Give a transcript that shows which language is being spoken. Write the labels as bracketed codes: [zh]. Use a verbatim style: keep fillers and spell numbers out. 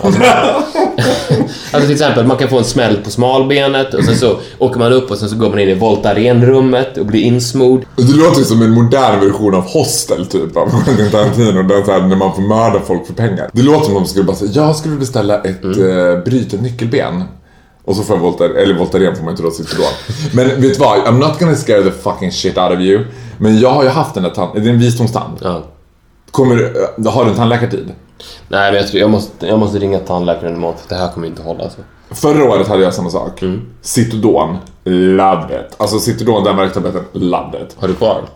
[sv] Alltså, alltså till exempel man kan få en smäll på smalbenet och sen så åker man upp och sen så går man in i Voltaren-rummet och blir insmord. Det låter som en modern version av Hostel typ av Tarantino, där så här, när man får mörda folk för pengar. Det låter som om de skulle bara säga, jag skulle beställa ett mm. eh, brytet nyckelben. Och så får jag Voltar, eller Voltaren får man inte då sitta då. Men vet du vad, [en] I'm not gonna scare the fucking shit out of you. [sv] Men jag har ju haft den där tand, det är en visdomstand. Ja. Kommer, har du en tandläkartid? Nej, men jag tror jag måste, jag måste ringa tandläkaren imorgon, för det här kommer inte hålla alltså. Förra året hade jag samma sak. Mm. Citodon, [en] love it. [sv] Alltså Citodon, den verktabletten, love it. Har du kvar?